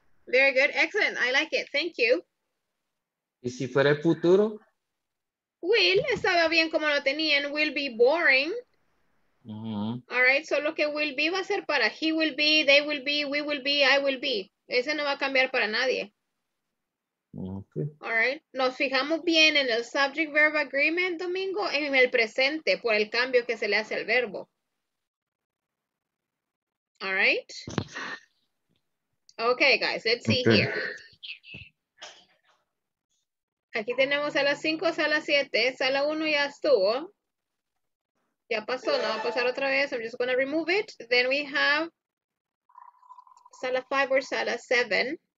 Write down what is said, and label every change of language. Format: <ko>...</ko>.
<en>Very good, excellent, I like it, thank you.</en> <es>¿Y si fuera el futuro? Will, estaba bien como lo tenían,</es> <en>will be boring. Uh-huh. All right,</en> <es>solo que will be va a ser para</es> <en>he will be, they will be,</en> <es>we will be, I will be. Ese no va a cambiar para nadie.</es> <en>Okay. All right,</en> <es>nos fijamos bien en el subject verb agreement, Domingo, en el presente, por el cambio que se le hace al verbo.</es> <en>All right. Okay, guys, let's see here.</en> <es>Aquí tenemos sala 5, sala 7. Sala 1 ya estuvo. Ya pasó, no va a pasar otra vez.</es> <en>I'm just going to remove it. Then we have sala 5 or sala 7.</en>